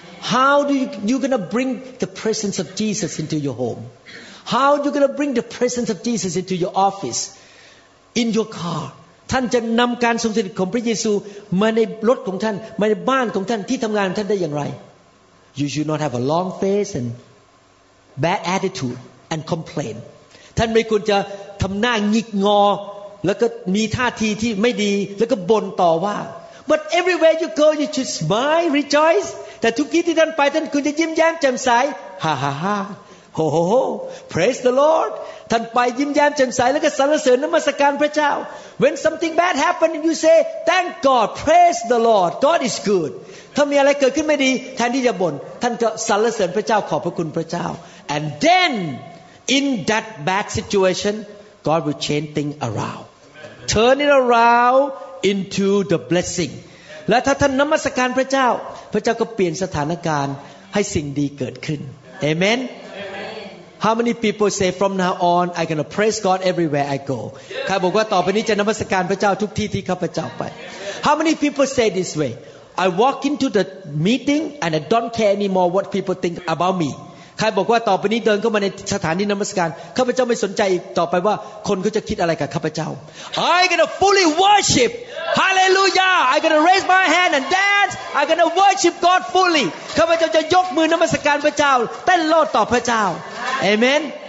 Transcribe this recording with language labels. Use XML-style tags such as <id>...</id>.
<en>How do you going to bring the presence of Jesus into your home? How are you going to bring the presence of Jesus into your office, in your car? You will bring the presence of Jesus into your car, in your car, in your house, in your work, in your office. You should not have a long face and. Bad attitude and complain.</en> <th>ท่านไม่ควรจะทำหน้าหงิกงอแล้วก็มีท่าทีที่ไม่ดีแล้วก็บ่นต่อว่า</th> <en>But everywhere you go, you should smile, rejoice.</en> <th>แต่ทุกที่ที่ท่านไปท่านควรจะยิ้มแย้มแจ่มใสฮ่าฮ่าฮ่าโฮโฮโฮ</th> <en>Praise the Lord.</en> <th>ท่านไปยิ้มแย้มแจ่มใสแล้วก็สรรเสริญนมัสการพระเจ้า</th> <en>When something bad happens, you say, Thank God, praise the Lord. God is good.</en> <th>ถ้ามีอะไรเกิดขึ้นไม่ดีแทนที่จะบ่นท่านจะสรรเสริญพระเจ้าขอบพระคุณพระเจ้า</th> <en>And then, in that bad situation, God will change things around. Turn it around into the blessing.</en> <th>และถ้าท่านนมัสการพระเจ้าพระเจ้าก็เปลี่ยนสถานการณ์ให้สิ่งดีเกิดขึ้น Amen?</th> <en>How many people say from now on, I'm going to praise God everywhere I go?</en> <th>ใครบอกว่าต่อไปนี้จะนมัสการพระเจ้าทุกที่ที่ข้าพเจ้าไป</th> <en>How many people say this way? I walk into the meeting and I don't care anymore what people think about me.</en> <th>ใครบอกว่าต่อไปนี้เดินเข้ามาในสถานที่นมัสการข้าพเจ้าไม่สนใจอีกต่อไปว่าคนเขาจะคิดอะไรกับข้าพเจ้า</th> <en>I'm gonna fully worship Hallelujah I'm gonna raise my hand and dance I'm gonna worship God fully</en> <th>ข้าพเจ้าจะยกมือนมัสการพระเจ้าเต้นโลดต่อพระเจ้า Amen</th>